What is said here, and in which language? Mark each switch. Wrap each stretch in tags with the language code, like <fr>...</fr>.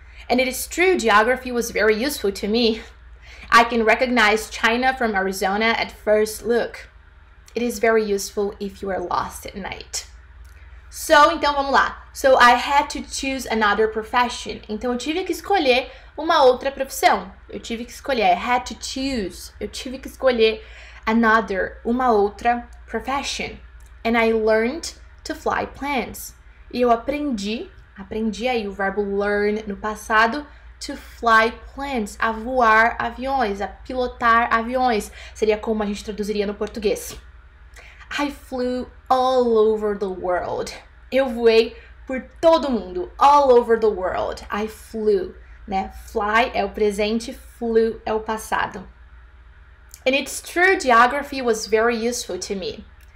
<en>And it is true, geography was very useful to me. I can recognize China from Arizona at first look. It is very useful if you are lost at night. So,</en> <pt>então vamos lá.</pt> <en>So I had to choose another profession.</en> <pt>Então eu tive que escolher uma outra profissão. Eu tive que escolher.</pt> <en>I had to choose.</en> <pt>Eu tive que escolher another, uma outra profession.</pt> <en>And I learned to fly planes.</en> <pt>E eu aprendi, aprendi aí o verbo learn no passado,</pt> <en>to fly planes,</en> <pt>a voar aviões, a pilotar aviões. Seria como a gente traduziria no português.</pt> <en>I flew all over the world.</en> <pt>Eu voei por todo mundo.</pt> <en>All over the world. I flew. Né?</en> <pt>Fly é o presente, flew é o passado.</pt> <en>And it's true, geography was very useful to me.</en>